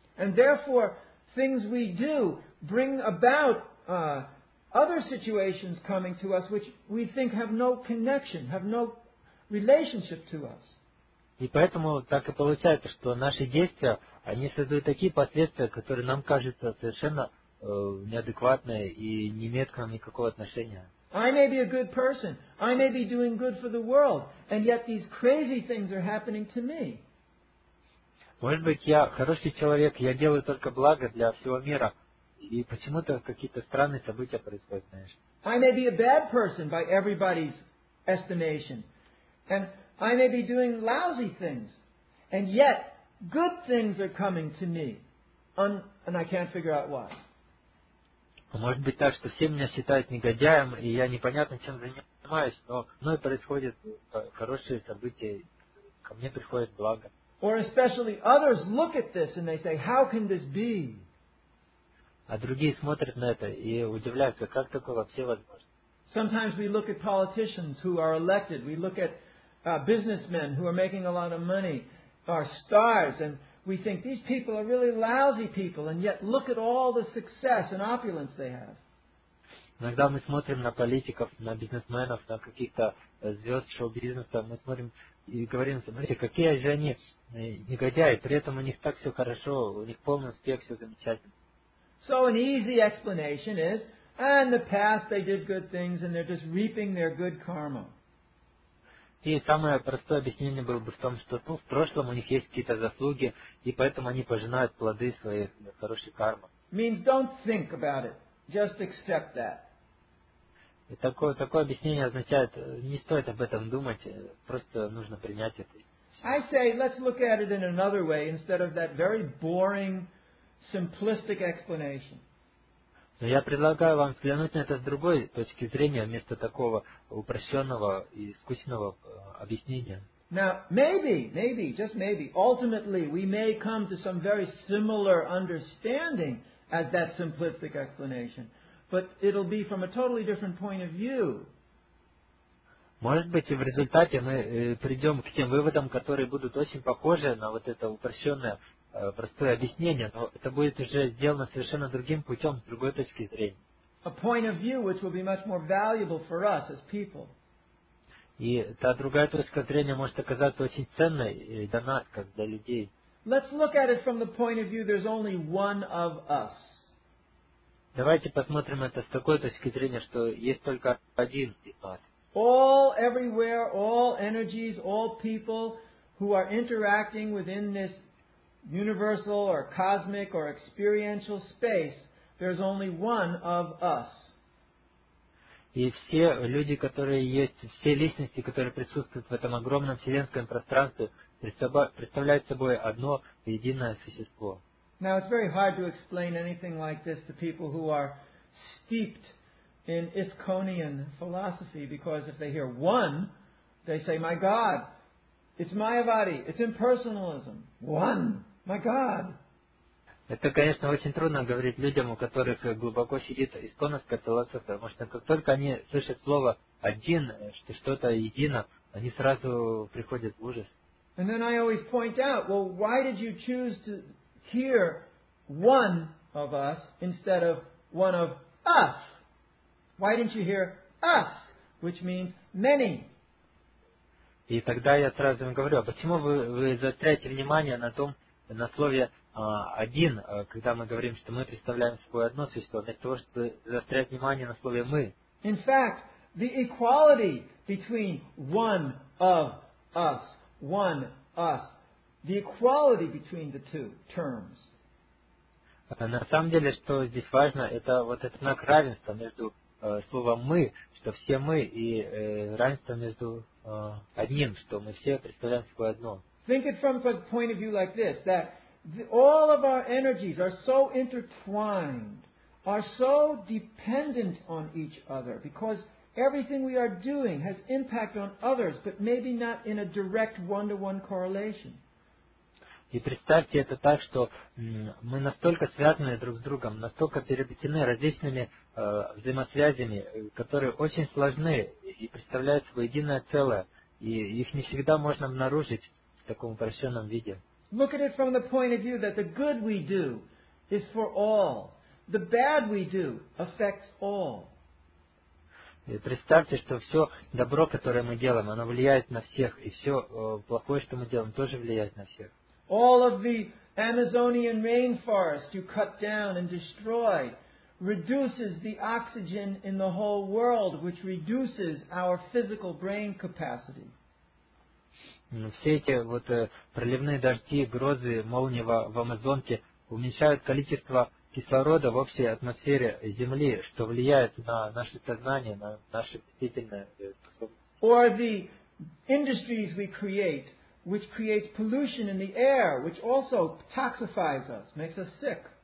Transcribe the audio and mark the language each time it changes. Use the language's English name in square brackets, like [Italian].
[English] And therefore, things we do bring about other situations coming to us, which we think have no connection, have no relationship to us. [Russian] И поэтому так и получается, что наши действия, они создают такие последствия, которые нам кажутся совершенно неадекватные и не имеют к нам никакого отношения. [English] I may be a good person. I may be doing good for the world, and yet these crazy things are happening to me. [Russian] Может быть, я хороший человек, я делаю только благо для всего мира, и почему-то какие-то странные события происходят, знаешь? [English] I may be a bad person by everybody's estimation, and I may be doing lousy things, and yet good things are coming to me, and I can't figure out why. [Russian] Может быть так, что все меня считают негодяем, и я непонятно чем занимаюсь, но мной происходят хорошие события, ко мне приходит благо. [English] Or especially others look at this and they say, how can this be? [Russian] А другие смотрят на это и удивляются, как такое вообще возможно? [English] Sometimes we look at politicians who are elected, we look at businessmen who are making a lot of money, our stars, and we think these people are really lousy people, and yet look at all the success and opulence they have. [Russian] Иногда мы смотрим на политиков, на бизнесменов, на каких-то звезд шоу-бизнеса. Мы смотрим и говорим: смотрите, какие же они негодяи. При этом у них так все хорошо, у них полный успех, все замечательно. [English] So an easy explanation is: in the past they did good things, and they're just reaping their good karma. [Russian] И самое простое объяснение было бы в том, что в прошлом у них есть какие-то заслуги, и поэтому они пожинают плоды своей хорошей кармы. [English] Means don't think about it. Just accept that. [Russian] И такое объяснение означает, не стоит об этом думать, просто нужно принять это. [English] I say, let's look at it in another way, instead of that very boring, simplistic explanation. [Russian] Но я предлагаю вам взглянуть на это с другой точки зрения, вместо такого упрощенного и скучного объяснения. [English] Now, maybe, just maybe, ultimately we may come to some very similar understanding as that simplistic explanation, but it'll be from a totally different point of view. [Russian] Может быть, и в результате мы придем к тем выводам, которые будут очень похожи на вот это упрощенное простое объяснение, но это будет уже сделано совершенно другим путем, с другой точки зрения. [English] A point of view which will be much more valuable for us as people. [Russian] И та другая точка зрения может оказаться очень ценной для нас, как для людей. [English] Let's look at it from the point of view there's only one of us. [Russian] Давайте посмотрим это с такой точки зрения, что есть только один из нас. [English] All everywhere, all energies, all people who are interacting within this universal or cosmic or experiential space, there's only one of us. [Russian] И все люди, которые есть, все личности, которые присутствуют в этом огромном вселенском пространстве, представляют собой одно единое существо. [English] Now, it's very hard to explain anything like this to people who are steeped in Isconian philosophy, because if they hear one, they say, my God, it's Mayavadi, it's impersonalism, one, my God. [Russian] Это, конечно, очень трудно говорить людям, у которых глубоко сидит исконская философия, потому что как только они слышат слово «один», что что-то едино, они сразу приходят в ужас. [English] And then I always point out, well, why did you choose to hear one of us instead of one of us? Why didn't you hear us, which means many? [Russian] И тогда я сразу им говорю, а почему вы заостряете внимание на том, на слове один, когда мы говорим, что мы представляем собой одно существо, вместо того, чтобы заострять внимание на слове мы. [English] In fact, the equality between one of us, one us, the equality between the two terms. [Russian] На самом деле, что здесь важно, это вот этот знак равенства между словом мы, что все мы, и равенство между одним, что мы все представляем собой одно. [English] Think it from a point of view like this, that all of our energies are so intertwined, are so dependent on each other, because everything we are doing has impact on others, but maybe not in a direct one-to-one correlation. [Russian] И представьте это так, что мы настолько связаны друг с другом, настолько переплетены различными взаимосвязями, которые очень сложны и представляют собой единое целое, и их не всегда можно обнаружить в таком упрощенном виде. [English] Look at it from the point of view that the good we do is for all. The bad we do affects all. [Russian] И представьте, что все добро, которое мы делаем, оно влияет на всех, и все плохое, что мы делаем, тоже влияет на всех. [English] All of the Amazonian rainforest you cut down and destroy reduces the oxygen in the whole world, which reduces our physical brain capacity. [Russian] Все эти вот проливные дожди, грозы, молнии в Амазонке уменьшают количество кислорода в общей атмосфере Земли, что влияет на наше сознание, на наши чувствительные способности. [English] Or the industries we create, which creates pollution in the air, which also toxifies us, makes us sick.